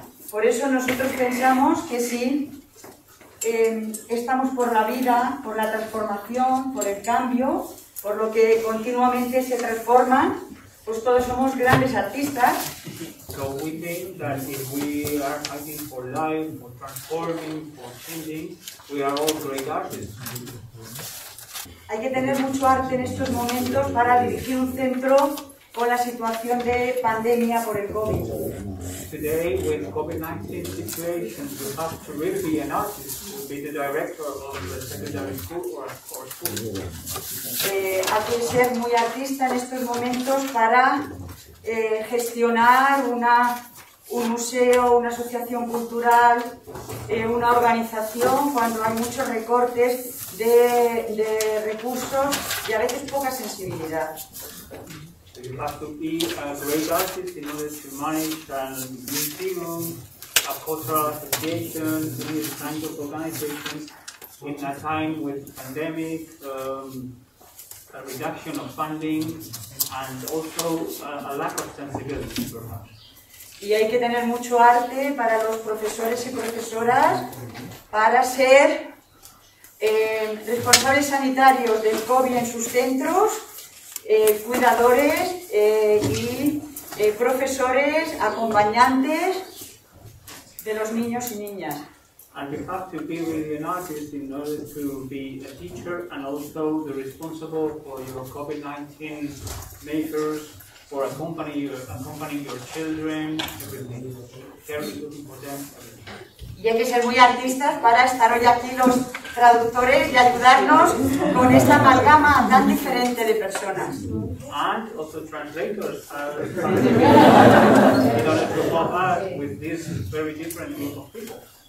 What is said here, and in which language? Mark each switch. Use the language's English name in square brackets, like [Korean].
[Spanish] Por eso nosotros pensamos que sí, estamos por la vida, por la transformación, por el cambio, por lo que continuamente se transforman, pues todos somos grandes artistas. [English] So we think that if we are fighting for life, for transforming, for changing, we are all great artists. [Spanish] Hay que tener mucho arte en estos momentos para dirigir un centro con la situación de pandemia por el COVID. [English] Today, with COVID-19 situation, you have to really be an artist to be the director of the secondary school or school. [Spanish] Hay que ser muy artista en estos momentos para gestionar un museo, una asociación cultural, una organización, cuando hay muchos recortes de recursos y a veces poca sensibilidad. [English] You have to be a great artist in order to manage a museum, a cultural association, these kinds of organizations in a time with pandemic, a reduction of funding, and also a lack of sensibility, perhaps. [Spanish] Y hay que tener mucho arte para los profesores y profesoras para ser responsables sanitarios del COVID en sus centros. Cuidadores y profesores, acompañantes de los niños y niñas. [English] And you have to be really an artist in order to be a teacher and also the responsible for your COVID-19 measures, for accompanying your children, everything, caring for them. [Spanish] Y hay que ser muy artistas para estar hoy aquí los traductores y ayudarnos con esta amalgama tan diferente de personas. [English] And also translators are in order to help us with this very different group of people.